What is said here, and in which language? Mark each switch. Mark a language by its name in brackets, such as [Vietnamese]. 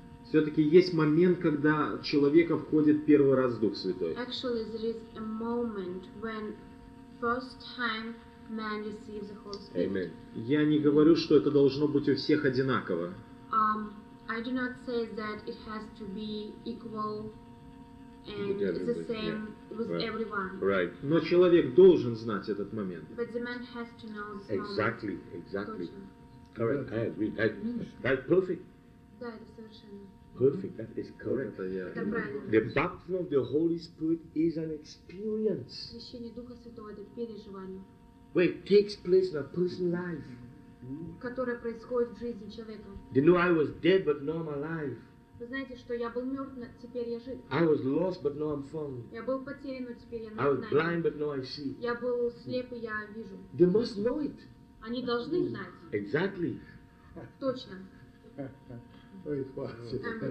[Russian] Все-таки есть момент, когда человека входит первый раз в Дух Святой. [English] Actually, there is a moment when first time man receives the Holy Spirit. Amen. [Russian] Я не говорю, что это должно быть у всех одинаково. [English] I do not say that it has to be equal and with everybody. It's the same yeah. with right. everyone. Right. [Russian] Но человек должен знать этот момент. [English] But the man has to know this exactly, moment. Exactly. Correct. Yeah. I agree. That's perfect. [Russian] Да, это совершенно. [English] Perfect, that is correct. [Russian] Это, yeah. Это правильно. [English] The baptism of the Holy Spirit is an experience. [Russian] Крещение Духа Святого — это переживание. [English] Where it takes place in a person's life. [Russian] Которое происходит в жизни человека. [English] You know, I was dead, but now I'm alive. [Russian] Вы знаете, что я был мертв, но теперь я жив. [English] I was lost, but now I'm found. [Russian] Я был потерян, но теперь я [English] I was blind, but now I see. [Russian] Я был слеп, и я вижу. [English] They must know it. [Russian] Они должны знать. [English] Exactly. [Russian] Точно. Ой, хватит.